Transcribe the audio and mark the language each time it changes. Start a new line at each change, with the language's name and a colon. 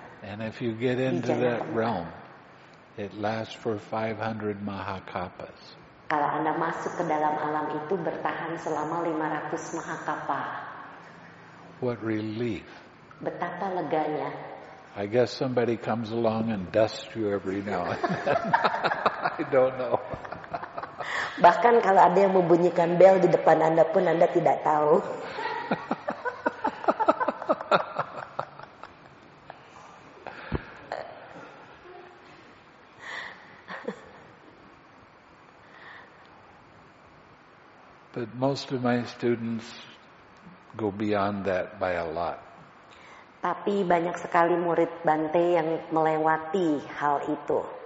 English: And if you get into that realm, it lasts for 500 mahakapas.
Indonesian: Kalau Anda masuk ke dalam alam itu bertahan selama 500 mahakapa.
English: What relief.
Indonesian: Betapa leganya.
English: I guess somebody comes along and dusts you every now and then. I don't know.
Indonesian: Bahkan kalau ada yang membunyikan bel di depan Anda pun Anda tidak tahu.
English: But most of my students go beyond that by a lot.
Indonesian: Tapi banyak sekali murid Bante yang melewati hal itu.